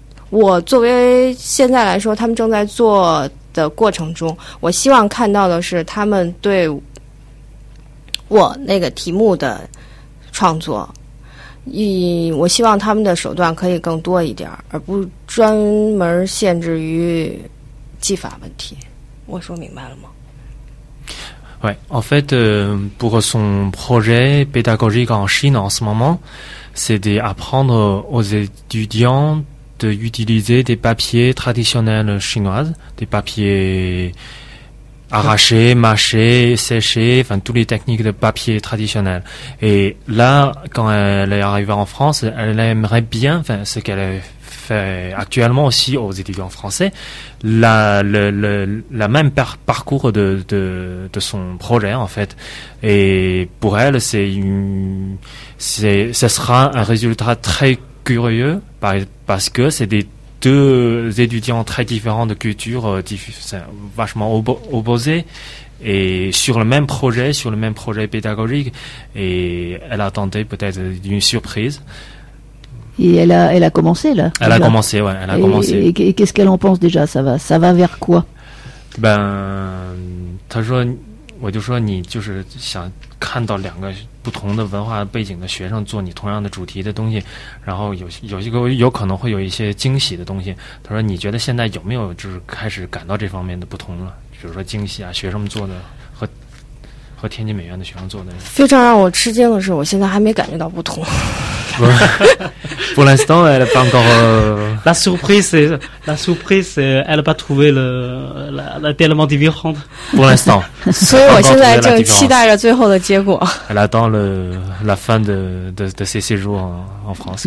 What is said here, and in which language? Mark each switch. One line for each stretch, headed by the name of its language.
Chinese: 我作为现在来说，他们正在做的过程中，我希望看到的是他们对我那个题目的创作，我希望他们的手段可以更多一点，而不专门限制于技法问题。我说明白了吗？
French: Ouais, en fait, pour son projet pédagogique en Chine en ce moment, c'est d'apprendre aux étudiants d'utiliser des papiers traditionnels chinois, des papiers arrachés, mâchés, séchés, enfin toutes les techniques de papier traditionnel. Et là, quand elle est arrivée en France, elle aimerait bien, enfin ce qu'elle a fait actuellement aussi aux étudiants français, la même parcours de son projet en fait. Et pour elle, ce sera un résultat très curieux, parce que c'est des deux étudiants très différents de culture, vachement opposés, et sur le même projet pédagogique, et elle a tenté peut-être une surprise. Et elle a commencé là. Elle a commencé, ouais, elle a commencé. Et qu'est-ce qu'elle en pense déjà? Ça va vers quoi?
Chinese: Ben, 她说，我就说你就是想看到两个不同的文化背景的学生做你同样的主题的东西，然后有一个有可能会有一些惊喜的东西。他说你觉得现在有没有就是开始感到这方面的不同了？比如说惊喜啊，学生们做的和天津美院的学生做的。非常让我吃惊的是，我现在还没感觉到不同。
French: Pour l'instant, elle n'est pas encore. La surprise, elle n'a pas trouvé la tellement différente. Pour l'instant. Elle attend la fin de ses séjours en France.